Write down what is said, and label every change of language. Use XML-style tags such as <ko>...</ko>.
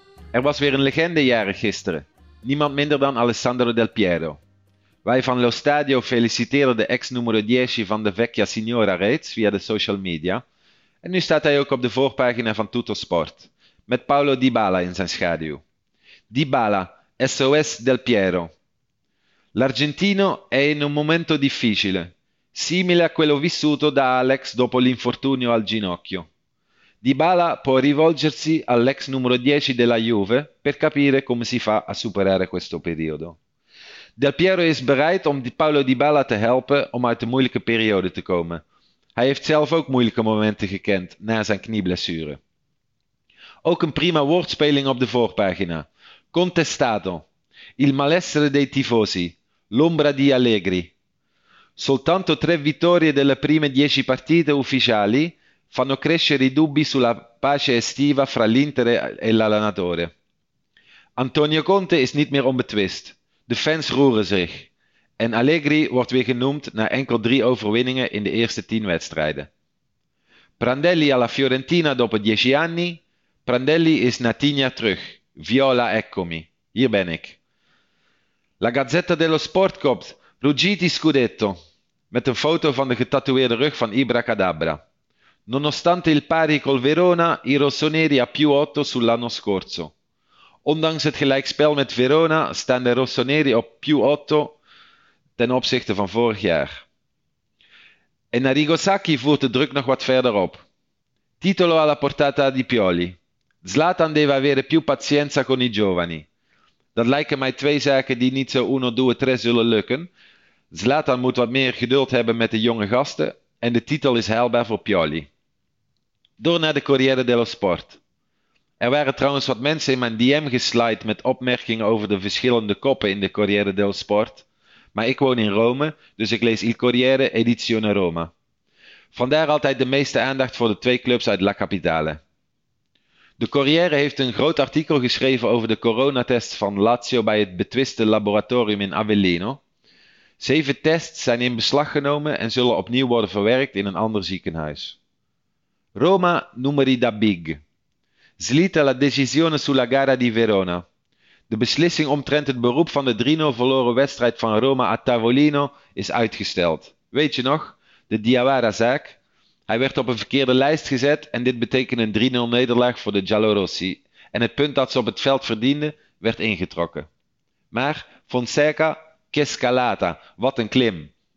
<nl>Er was weer een legendejarig gisteren. Niemand minder dan Alessandro Del Piero. Wij van Lo Stadio feliciteren de ex-numero 10 van de Vecchia Signora reeds via de social media. En nu staat hij ook op de voorpagina van Tutto Sport, met Paolo Dybala in zijn schaduw.</nl> <it>Dybala, SOS Del Piero. L'Argentino è in un momento difficile, simile a quello vissuto da Alex dopo l'infortunio al ginocchio. Dybala può rivolgersi all'ex numero 10 della Juve per capire come si fa a superare questo periodo.</it> <nl>Del Piero is bereid om Paolo Dybala te helpen om uit de moeilijke periode te komen. Hij heeft zelf ook moeilijke momenten gekend na zijn knieblessure. Ook een prima woordspeling op de voorpagina.</nl> <it>Contestato. Il malessere dei tifosi. L'ombra di Allegri. Soltanto 3 vittorie delle prime 10 partite ufficiali fanno crescere i dubbi sulla pace estiva fra l'Inter e l'allenatore.</it> <nl>Antonio Conte is niet meer onbetwist. De fans roeren zich. En Allegri wordt weer genoemd na enkel 3 overwinningen in de eerste 10 wedstrijden.</nl> <it>Prandelli alla Fiorentina dopo 10 anni.</it> <nl>Prandelli is na 10 jaar terug.</nl> <it>Viola, eccomi.</it> <nl>Hier ben ik. La Gazzetta dello Sport kopt Ruggiti Scudetto. Met een foto van de getatoeëerde rug van Ibracadabra.</nl> <it>Nonostante il pari col Verona, i rossoneri a più 8 sull'anno scorso.</it> <nl>Ondanks het gelijkspel met Verona staan de rossoneri op più 8 ten opzichte van vorig jaar. En Arrigo Sacchi voert de druk nog wat verder op.</nl> <it>Titolo alla portata di Pioli. Zlatan deve avere più pazienza con i giovani.</it> <nl>Dat lijken mij 2 zaken die niet zo 1, 2, 3 zullen lukken. Zlatan moet wat meer geduld hebben met de jonge gasten. En de titel is haalbaar voor Pioli. Door naar de Corriere dello Sport. Er waren trouwens wat mensen in mijn DM geslijt met opmerkingen over de verschillende koppen in de Corriere dello Sport. Maar ik woon in Rome, dus ik lees Il Corriere Edizione Roma. Vandaar altijd de meeste aandacht voor de 2 clubs uit La Capitale. De Corriere heeft een groot artikel geschreven over de coronatest van Lazio bij het betwiste laboratorium in Avellino. 7 tests zijn in beslag genomen en zullen opnieuw worden verwerkt in een ander ziekenhuis.</nl> <it>Roma numeri da big. Slitta la decisione sulla gara di Verona.</it> <nl>De beslissing omtrent het beroep van de 3-0 verloren wedstrijd van Roma a Tavolino is uitgesteld. Weet je nog? De Diawara-zaak. Hij werd op een verkeerde lijst gezet en dit betekende een 3-0 nederlaag voor de Giallorossi. En het punt dat ze op het veld verdienden, werd ingetrokken. Maar Fonseca,</nl> <it>che scalata,</it> <nl>wat een klim.</nl>